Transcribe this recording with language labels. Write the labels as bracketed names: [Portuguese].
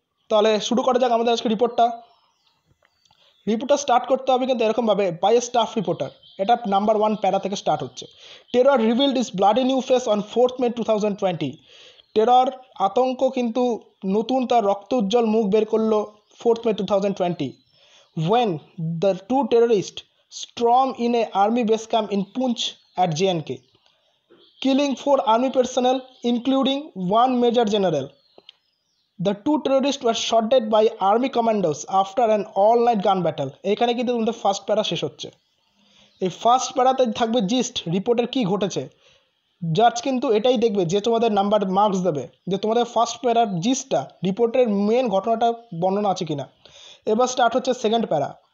[Bangla] তাহলে শুরু করা যাক আমাদের আজকে রিপোর্টটা। রিপোর্টটা স্টার্ট করতে হবে কিন্তু এরকমভাবে, বাই এ স্টাফ রিপোর্টার, এটা নাম্বার 1 প্যারা থেকে স্টার্ট হচ্ছে। [English] Terror revealed its bloody new face on 4th May 2020। [Bangla] Terror আতঙ্ক কিন্তু নতুন তার রক্ত উজ্জ্বল মুখ বের করলো 4th May 2020। [English] When the two terrorists stormed in an army base camp in Poonch at JNK, killing 4 army personnel, including 1 major general. The two terrorists were shot dead by army commandos after an all-night gun battle. [Bangla] এখানে কিন্তু তোমাদের first প্যারা শেষ হচ্ছে। এই first প্যারাতে থাকবে gist, রিপোর্টের কী ঘটেছে। জাজ কিন্তু এটাই দেখবে যে তোমাদের নাম্বার মার্কস দেবে, যে তোমাদের ফার্স্ট প্যারার জিস্টটা, রিপোর্টের মেন ঘটনাটা বর্ণনা আছে কিনা। এবার স্টার্ট হচ্ছে সেকেন্ড প্যারা।